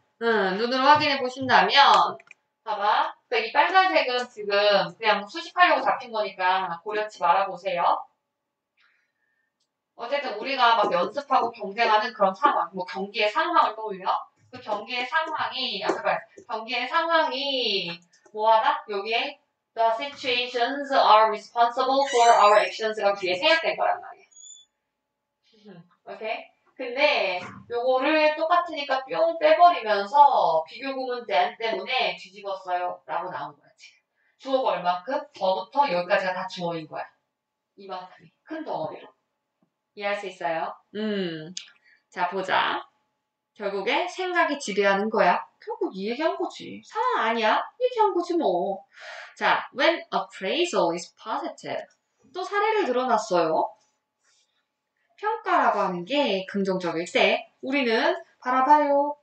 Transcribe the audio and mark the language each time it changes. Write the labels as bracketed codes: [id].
[ko] 눈으로 확인해 보신다면, 봐봐. 이 빨간색은 지금 그냥 수집하려고 잡힌 거니까 고려치 말아보세요. 어쨌든 우리가 막 연습하고 경쟁하는 그런 상황, 뭐 경기의 상황을 떠올려? 그 경기의 상황이, 아까 말, 경기의 상황이 뭐하다? 여기에? [en] The situations are responsible for our actions가 [ko] 뒤에 생략된 거란 말이야. 오케이? 근데 요거를 똑같으니까 뿅 빼버리면서 비교구문 then 때문에 뒤집었어요 라고 나온 거야, 지금. 주어가 얼만큼? 저부터 여기까지가 다 주어인 거야. 이만큼이. 큰 덩어리로. 이해할 수 있어요? 자, 보자. 결국에 생각이 지배하는 거야. 결국 이 얘기한 거지. 상황 아니야? 얘기한 거지, 뭐. [en] 자, when appraisal is positive. [ko] 또 사례를 들어놨어요. 평가라고 하는 게 긍정적일 때 우리는 바라봐요.